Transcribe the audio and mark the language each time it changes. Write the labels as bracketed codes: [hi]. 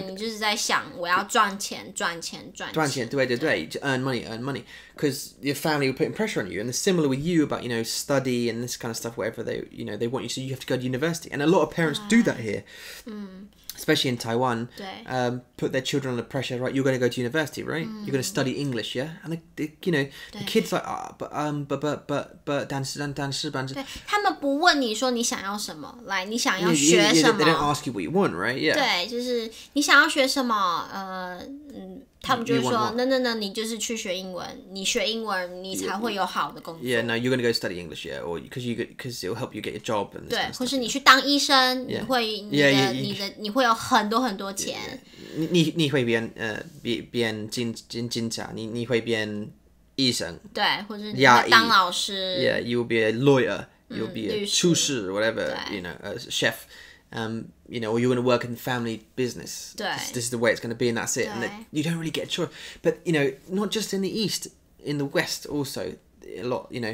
[zh] 对，你就是在想我要赚钱，赚钱，赚钱。赚钱，对对对 ， [en] earn money. Because your family were putting pressure on you, and the similar with you about, you know, study and this kind of stuff, whatever they, you know, they want you, so you have to go to university. And a lot of parents do that here. Especially in Taiwan, put their children under pressure, right? You're going to go to university, right? You're going to study English, yeah? And, the kids are like, but, [zh] 对，他们不问你说你想要什么，来，你想要学什么。 [en] They don't ask you what you want, right? Yeah. [zh] 对，就是你想要学什么，他们就是说 [en] no, [zh] 你就是去学英文，你学英文你才会有好的工作。 [en] Yeah, no, you're going to go study English, yeah, or because it'll help you get your job and this [zh] 对， [en] kind of stuff, [zh] 或是你去当医生， [en] yeah. [zh] 你会有很多很多钱。你会变警察，你会变医生，对，或者你会当老师。 [en] Yeah, you will be a lawyer, you will be a [zh] 厨师 [en] whatever, you know, a chef. You know, or you're going to work in family business. This is the way it's going to be, and that's it. And that you don't really get a choice. But, you know, not just in the East, in the West also, a lot, you know.